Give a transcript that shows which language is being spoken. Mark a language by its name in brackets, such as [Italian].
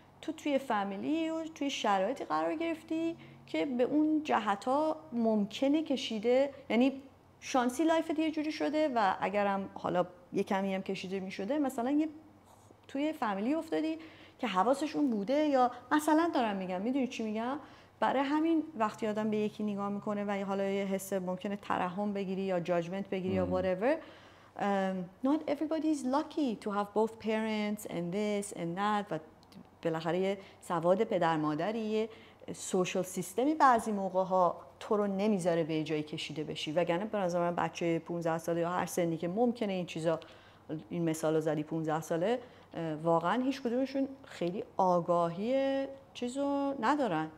[Persian] تو توی فامیلی و توی شرایطی قرار گرفتی که به اون جهت ها ممکنه کشیده، یعنی شانسی لایفت یه جوری شده، و اگرم حالا یه کمی هم کشیده میشده، مثلا یه توی فامیلی افتادی که حواسشون بوده، یا مثلا دارم میگم میدونی چی میگم، برای همین وقتی آدم به یکی نگاه میکنه و حالا یه حس ممکنه ترحم بگیری یا جاجمنت بگیری یا whatever. [English] Not everybody is lucky to have both parents and this and that. [Persian] و بالاخره یه سواد پدر مادری، یه سوشال سیستمی بعضی موقع ها تو رو نمیذاره به جایی کشیده بشی، وگرنه به نظر من بچه 15 ساله یا هر سنی که ممکنه این چیزا، این مثالو زدی 15 ساله، واقعا هیچ کدومشون خیلی آگاهی چیزو ندارن.